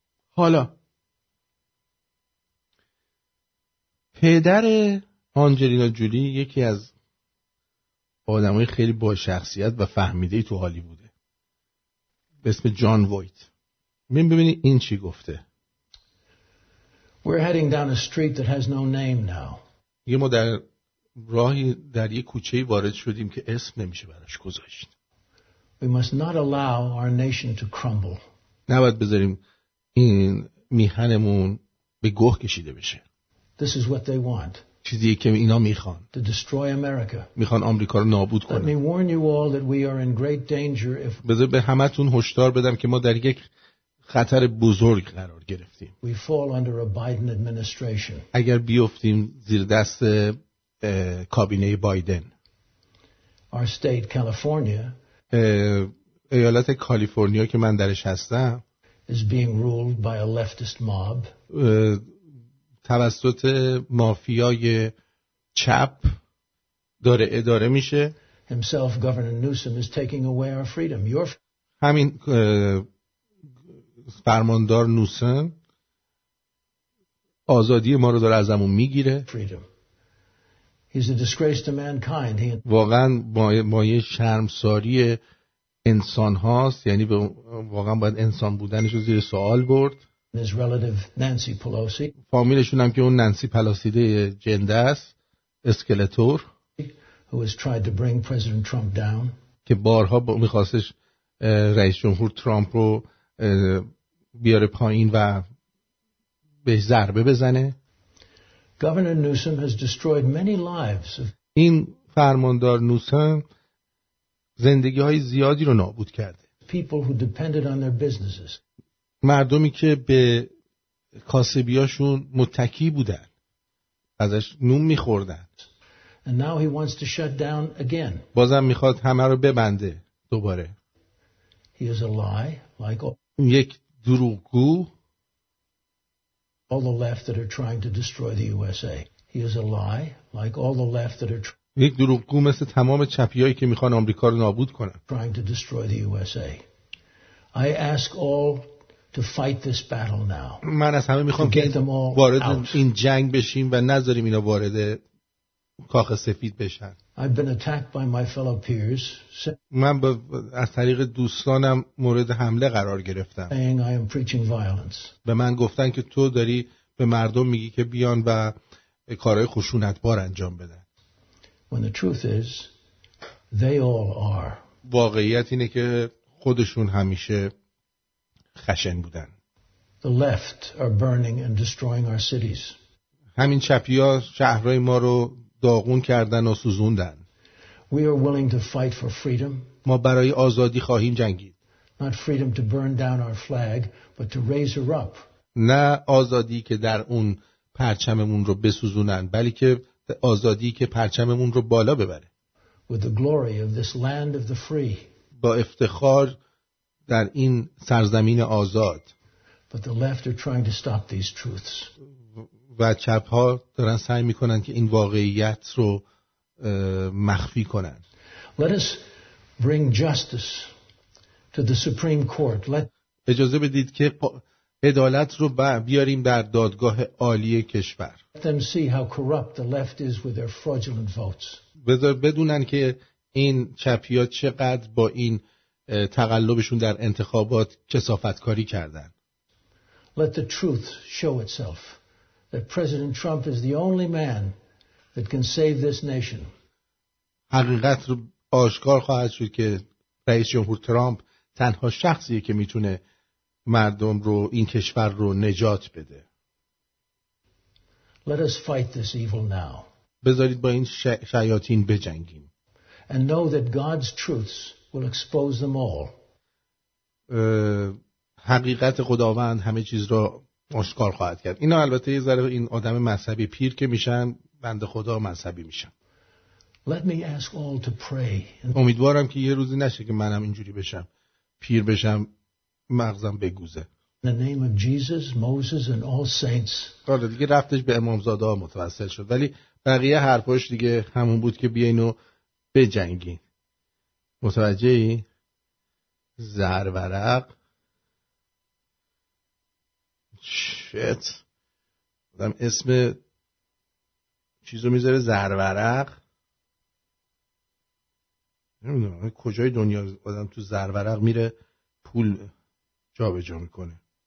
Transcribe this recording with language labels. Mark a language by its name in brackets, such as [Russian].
[Persian] حالا پدر آنجلینا جولی یکی از آدمای خیلی با شخصیت و فهمیده تو حالی بوده به اسم جان وایت. ببینید این چی گفته. [English] We're heading down a street that has no name now. [Persian] یه مدر راهی در یک کوچه وارد شدیم که اسم نمیشه براش گذاشت. [English] We must not allow our nation to crumble. [Persian] نباید بذاریم این میهنمون به گوه کشیده بشه. [English] This is what they want. [Persian] چیزی که اینا میخوان. [English] To destroy America. [Persian] میخوان آمریکا رو نابود کنن. [English] Let me warn you all that we are in great danger if. [Persian] بذار به همتون هشدار بدم که ما در یک خطر بزرگ قرار گرفتیم. [English] We fall under a Biden administration. [Persian] اگر بیفتیم زیر دست کابینه بایدن. [English] Our state, California, [Persian] ایالت کالیفرنیا که من درش هستم [English] is being ruled by a leftist mob. [Persian] توسط مافیای چپ داره اداره میشه. [English] Himself, Governor Newsom, is taking away our freedom. Your [Persian] همین فرماندار نوسن آزادی ما رو داره ازمون میگیره. [English] Freedom. He's a disgrace to mankind. [Persian] واقعا مایه شرمساری انسان هاست. یعنی واقعا باید انسان بودنش رو زیر سوال برد. [English] His relative Nancy Pelosi. [Persian] فامیلشون هم که اون نانسی پلاسیده جنده است. اسکلتور. [English] Who has tried to bring President Trump down. [Persian] که بارها میخواستش رئیس جمهور ترامپ رو بیاره پایین و به ضربه بزنه. [English] Governor Newsom has destroyed many lives. [Persian] این فرماندار نوسن زندگی‌های زیادی رو نابود کرده. [English] People who depended on their businesses. [Persian] مردمی که به کاسبی‌هاشون متکی بودن. ازش نون می‌خوردن. [English] And now he wants to shut down again. [Persian] بازم می‌خواد همه رو ببنده دوباره. [English] He is a lie like [Persian] یک دروغگو. [English] All the left that are trying to destroy the USA. He is a lie, like all the left that are. [Persian] یک دروغگو مثل تمام چپیایی که میخوان آمریکا رو نابود کنن. [English] Trying to destroy the USA. I ask all to fight this battle now. [Persian] من از همه میخوام که وارد این جنگ بشیم و نذاریم اینا وارد کاخ سفید بشن. [English] I've been attacked by my fellow peers. [Persian] من از طریق دوستانم مورد حمله قرار گرفتم. [English] Saying I am preaching violence. [Persian] به من گفتن که تو داری به مردم میگی که بیان و کارهای خشونتبار انجام بدن. [English] When the truth is, they all are. [Persian] واقعیت اینه که خودشون همیشه خشن بودن. [English] The left are burning and destroying our cities. [Persian] همین چپی ها شهرهای ما رو داغون کردن و سوزوندن. [English] We are willing to fight for freedom. [Persian] ما برای آزادی خواهیم جنگید. [English] Not freedom to burn down our flag, but to raise her up. [Persian] نه آزادی که در اون پرچممون رو بسوزونن، بلکه آزادی که پرچممون رو بالا ببره. [English] With the glory of this land of the free. [Persian] با افتخار در این سرزمین آزاد. [English] But the left are trying to stop these truths. [Persian] و چپ ها دارن سعی میکنن که این واقعیت رو مخفی کنن. [English] Let us bring justice to the Supreme Court. Let [Persian] اجازه بدید که عدالت رو بیاریم در دادگاه عالی کشور. [English] Let them see how corrupt the left is with their fraudulent votes. [Persian] بذار بدونن که این چپی ها چقدر با این تقلبشون در انتخابات کثافتکاری کردن. [English] Let the truth show itself. That President Trump is the only man that can save this nation. [Persian] حقیقت رو آشکار خواهد شد که رئیس جمهور ترامپ تنها شخصیه که میتونه مردم رو این کشور رو نجات بده. [English] Let us fight this evil now. [Persian] بذارید با این شیاطین بجنگیم. [English] And know that God's truths will expose them all. [Persian] حقیقت خداوند همه چیز رو آشکار خواهد کرد. اینا البته یه ذره این آدم مذهبی پیر که میشن، بنده خدا مذهبی میشن. [English] Let me ask all to pray. [Persian] امیدوارم که یه روزی نشه که منم اینجوری بشم، پیر بشم مغزم بگوزه. [English] In the name of Jesus, Moses and all saints. [Persian] حالا دیگه رفتش به امامزاده ها متوسل شد، ولی بقیه حرفاش دیگه همون بود که بیاین و بجنگین. متوجهی؟ زرورق شت بودم اسم چیزو میذاره زرورق، نمیدونم کجای دنیا آدم تو زرورق میره پول جا به جا میکنه.